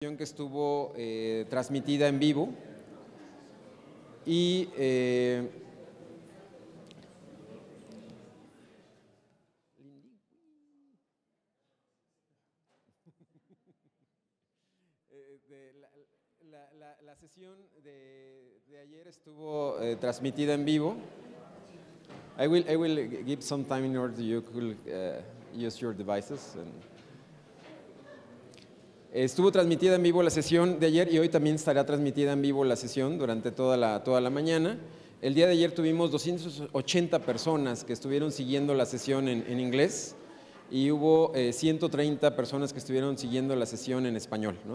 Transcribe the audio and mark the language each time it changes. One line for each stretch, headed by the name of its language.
Spanish: Sesión que estuvo transmitida en vivo y la sesión de ayer estuvo transmitida en vivo.
English: I will give some time in order you could use your devices and.
Spanish: Estuvo transmitida en vivo la sesión de ayer y hoy también estará transmitida en vivo la sesión durante toda la mañana. El día de ayer tuvimos 280 personas que estuvieron siguiendo la sesión en inglés y hubo 130 personas que estuvieron siguiendo la sesión en español, ¿no?